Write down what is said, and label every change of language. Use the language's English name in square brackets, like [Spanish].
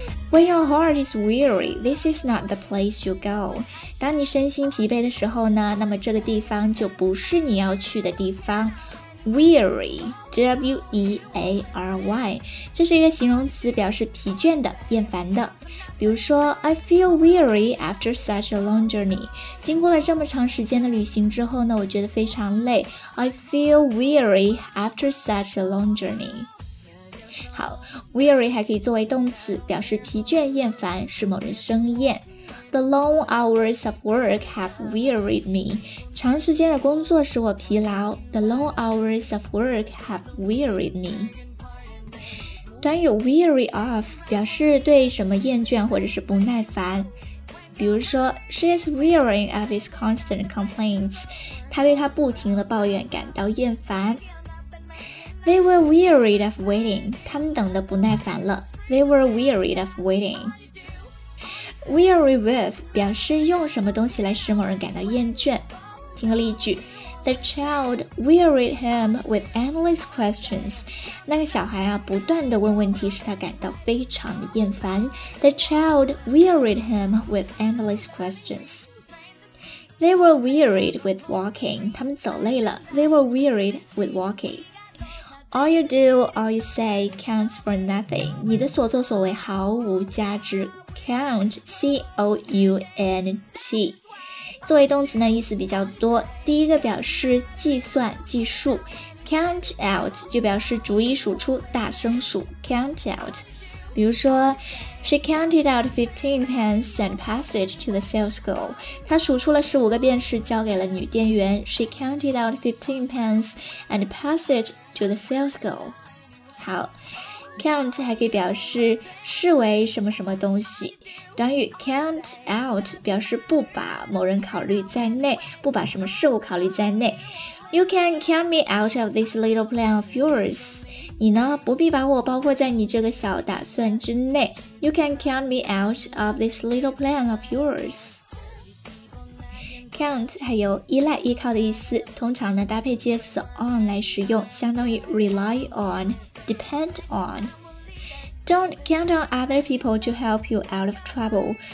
[English] When your heart is weary, this is not the place you go. [Chinese] 当你身心疲惫的时候呢，那么这个地方就不是你要去的地方。 Weary, W-E-A-R-Y, 这是一个形容词，表示疲倦的、厌烦的。比如说 [English] I feel weary after such a long journey. [Chinese] 经过了这么长时间的旅行之后呢，我觉得非常累。 [English] I feel weary after such a long journey. [Chinese] 好， weary 还可以作为动词，表示疲倦、厌烦，使某人生厌。 [English] The long hours of work have wearied me. [Chinese] 长时间的工作使我疲劳。 [English] The long hours of work have wearied me. [Chinese] 短语 weary of 表示对什么厌倦或者是不耐烦。比如说 [English] She is wearying of his constant complaints. [Chinese] 她对她不停的抱怨感到厌烦。 [English] They were wearied of waiting. [Chinese] 他们等得不耐烦了。 [English] They were wearied of waiting. Weary with [Chinese] 表示用什么东西来使某人感到厌倦。听个例句 [English] ，The child wearied him with endless questions。 [Chinese] 那个小孩啊，不断的问问题，使他感到非常的厌烦。 [English] The child wearied him with endless questions。 They were wearied with walking。 [Chinese] 他们走累了。 [English] They were wearied with walking。 All you do, all you say counts for nothing. [Chinese] 你的所作所为毫无价值。 Count, C-O-U-N-T. 作为动词呢，意思比较多。第一个表示计算、计数。Count out 就表示逐一数出、大声数。Count out. 比如说 [English] She counted out 15 pence and passed it to the sales girl. [Chinese] 她数出了15个便士交给了女店员。 [English] She counted out 15 pence and passed it. to the sales girl. [Chinese] 好 ,count 还可以表示视为什么什么东西。短语 count out 表示不把某人考虑在内，不把什么事物考虑在内。 [English] You can count me out of this little plan of yours. [Chinese] 你呢不必把我包括在你这个小打算之内。 [English] You can count me out of this little plan of yours. [Chinese] Count 还有依赖依靠的意思，通常呢搭配介词 on 来使用，相当于 rely on, depend on. [English] Don't count on other people to help you out of trouble.